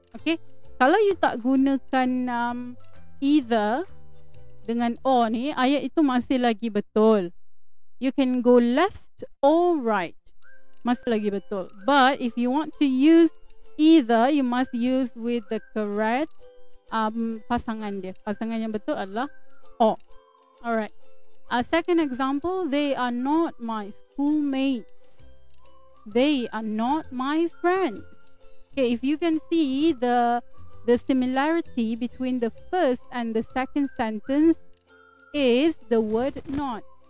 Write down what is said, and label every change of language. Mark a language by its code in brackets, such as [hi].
[ms] Okay, kalau you tak gunakan either dengan or ni, ayat itu masih lagi betul. [en] You can go left or right, [ms] masih lagi betul. [en] But if you want to use either, you must use with the correct [ms] pasangan dia. Pasangan yang betul adalah or. [en] Alright, a second example. They are not my schoolmates. They are not my friends. Okay, if you can see the similarity between the first and the second sentence is the word not.